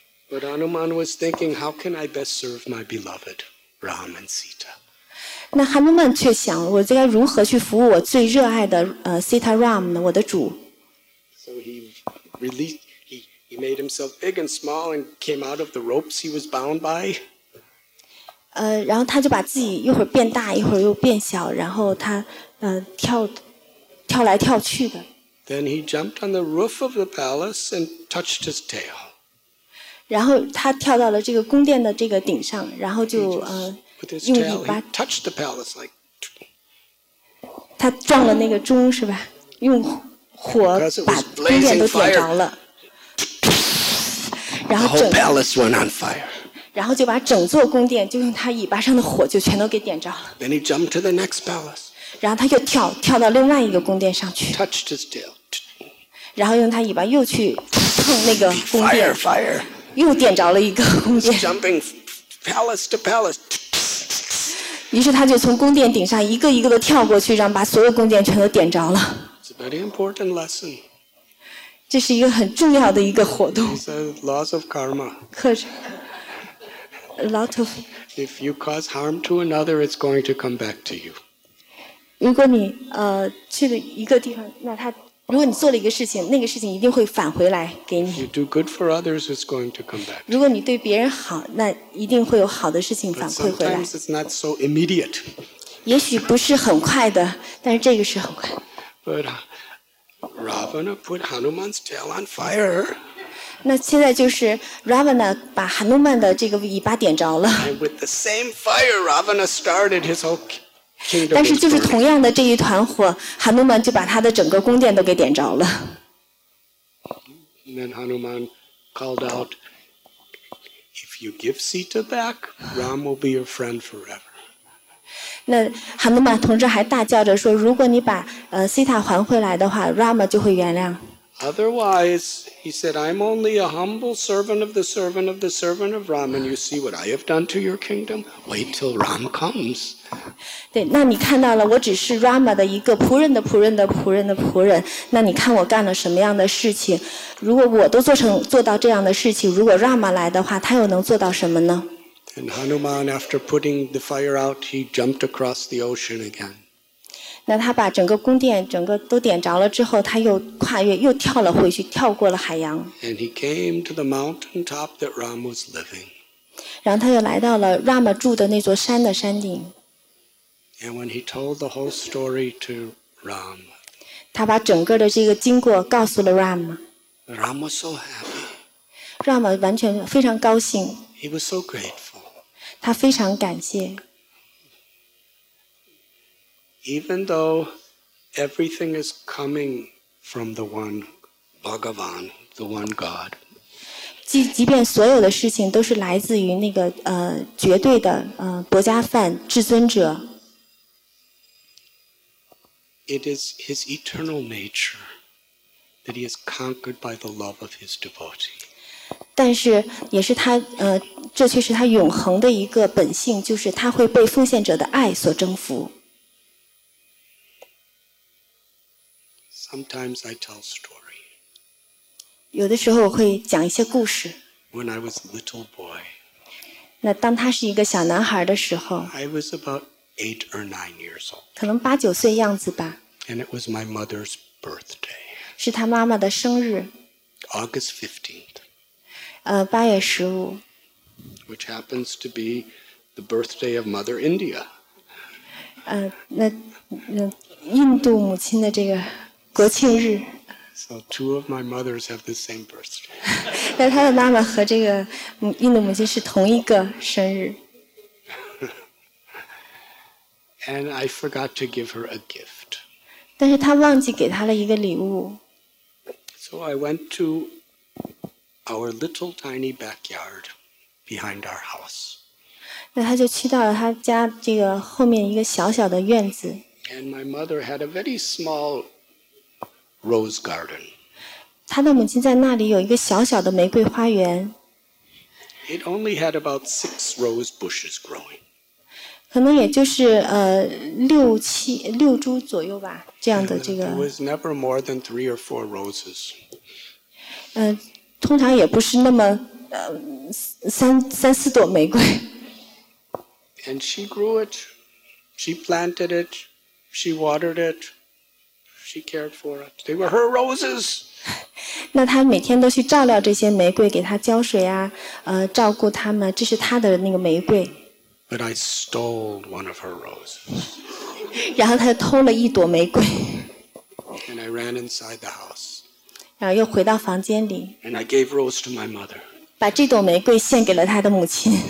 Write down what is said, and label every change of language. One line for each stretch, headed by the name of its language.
English: But Hanuman was thinking, how can I best serve my beloved Ram and Sita?
Chinese: 那 Hanuman 却想，我该如何去服务我最热爱的Sita Ram 呢？我的主。
English: So he released. He made himself big and small and came out of the ropes he was bound by.
Chinese: 然后他就把自己一会儿变大，一会儿又变小，然后他跳来跳去的。
English: Then he jumped on the roof of the palace and touched his tail.
Chinese: 然后他跳到了这个宫殿的这个顶上，然后就用尾巴
English: touched the palace like.
Chinese: 他撞了那个钟是吧？用火把宫殿都点着了。
English: The whole palace went on fire.
Chinese: 然后就把整座宫殿就用他尾巴上的火就全都给点着了。
English: Then he jumped to the next palace.
Chinese: 然后他又跳到另外一个宫殿上去。
English: Touched his tail.
Chinese: 然后用他尾巴又去碰那个宫殿。
English: Fire, fire.
Chinese: 又点着了一个宫殿。
English: Jumping palace to palace.
Chinese: 于是他就从宫殿顶上一个一个的跳过去，然后把所有宫殿全都点着了。
English: It's a very important lesson.
Chinese: 这是一个很重要的一个活动。
English: It's a loss of karma. Lot of. If you cause harm to another, it's going to come back to you.
Chinese: 如果你去了一个地方，那他如果你做了一个事情，那个事情一定会返回来给你。
English: You do good for others, it's going to come back.
Chinese: 如果你对别人好，那一定会有好的事情反馈回来。
English: But sometimes it's not so immediate.
Chinese: 也许不是很快的，但是这个是很快。
English: But. Ravana put Hanuman's tail on fire.
Chinese: 那现在就是 Ravana 把 Hanuman 的这个尾巴点着了。
English: And with the same fire, Ravana started his whole kingdom.
Chinese: 但是就是同样的这一团火， Hanuman 就把他的整个宫殿都给点着了。
English: Then Hanuman called out, "If you give Sita back, Ram will be your friend forever."
Chinese: 那哈努曼同志还大叫着说：“如果你把Sita还回来的话 ，Rama 就会原谅。”
English: Otherwise, he said, "I'm only a humble servant of the servant of the servant of Ram, and you see what I have done to your kingdom. Wait till Ram comes."
Chinese: 对，那你看到了，我只是 Rama 的一个仆人的仆人的仆人的仆人。那你看我干了什么样的事情？如果我都做到这样的事情，如果 Rama 来的话，他又能做到什么呢？
English: And Hanuman, after putting the fire out, he jumped across the ocean again.
Chinese: 那他把整个宫殿整个都点着了之后，他又跨越，又跳了回去，跳过了海洋。
English: And he came to the mountain top that Ram was living.
Chinese: 然后他又来到了 Rama 住的那座山的山顶。
English: And when he told the whole story to Ram,
Chinese: 他把整个的这个经过告诉了 Ram.
English: Ram was so happy.
Chinese: Ram 完全非常高兴。
English: He was so grateful.
Chinese: 他非常感谢。
English: Even though everything is coming from the one Bhagavan, the one God.
Chinese: 即便所有的事情都是来自于那个绝对的薄伽梵至尊者。
English: it is his eternal nature that he is conquered by the love of his devotee.
Chinese: 但是也是他这却是他永恒的一个本性，就是他会被奉献者的爱所征服。
English: Sometimes I tell story.
Chinese: 有的时候我会讲一些故事。
English: When I was a little boy.
Chinese: 那当他是一个小男孩的时候。
English: I was about 8 or 9 years old.
Chinese: 可能八九岁样子吧。
English: And it was my mother's birthday.
Chinese: 是他妈妈的生日。
English: August 15th.
Chinese: 八月十五。
English: Which happens to be the birthday of Mother India.
Chinese: 那印度母亲的这个。国庆日。
English: So two of my mothers have the same birthday.
Chinese: 但他的妈妈和这个印度母亲是同一个生日。
English: And I forgot to give her a gift.
Chinese: 但是他忘记给她了一个礼物。
English: So I went to our little tiny backyard behind our house.
Chinese: 那他就去到了他家这个后面一个小小的院子。
English: And my mother had a very small Rose garden.
Chinese: 他的母亲在那里有一个小小的玫瑰花园。
English: It only had about 6 rose bushes growing.
Chinese: 可能也就是六株左右吧，这样的这个。
English: It was never more than 3 or 4 roses.
Chinese: 通常也不是那么三四朵玫瑰。
English: And she grew it, she planted it, she watered it. She cared for it. They were her roses.
Chinese: 那她每天都去照料这些玫瑰，给她浇水啊，照顾她们，这是她的那个玫瑰。
English: But I stole one of her roses.
Chinese: 然后她偷了一朵玫瑰。
English: And I ran inside the house.
Chinese: 然后又回到房间里。
English: And I gave rose to my mother.
Chinese: 把这朵玫瑰献给了她的母亲。